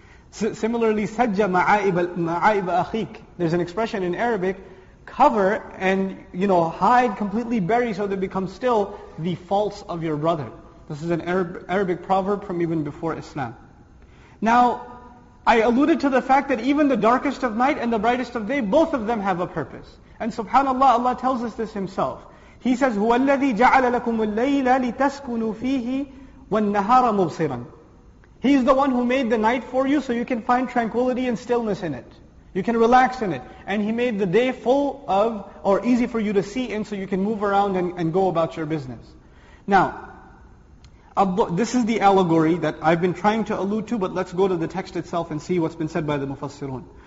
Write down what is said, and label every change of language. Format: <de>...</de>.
<en>Similarly, sajja ma'aib akhik. There's an expression in Arabic, cover and, you know, hide completely, bury so they become still the faults of your brother. This is an Arabic proverb from even before Islam. Now, I alluded to the fact that even the darkest of night and the brightest of day, both of them have a purpose. And subhanAllah, Allah tells us this Himself. He says,</en> <ar>هُوَ الَّذِي جَعَلَ لَكُمُ اللَّيْلَ لِتَسْكُنُوا فِيهِ وَالنَّهَارَ مُبْصِرًا.</ar> <en>He is the one who made the night for you so you can find tranquility and stillness in it. You can relax in it. And He made the day full of, or easy for you to see in, so you can move around and go about your business. Now, this is the allegory that I've been trying to allude to, but let's go to the text itself and see what's been said by the Mufassirun.</en>